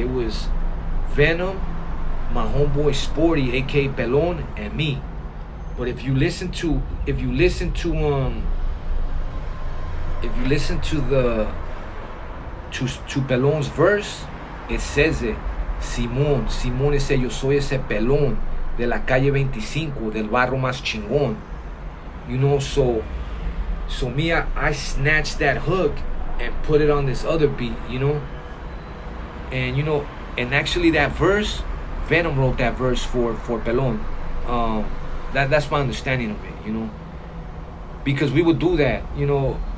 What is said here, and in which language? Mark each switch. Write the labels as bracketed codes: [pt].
[en] It was Venom, my homeboy Sporty, aka Pelon, and me. But if you listen to Pelon's verse, it says it. [es] Simón dice, yo soy ese Pelon de la calle 25, del barrio más chingón. [en] You know, so me, I snatched that hook and put it on this other beat, you know. And, you know, and actually that verse, Venom wrote that verse for Pelon. That's my understanding of it, you know. Because we would do that, you know.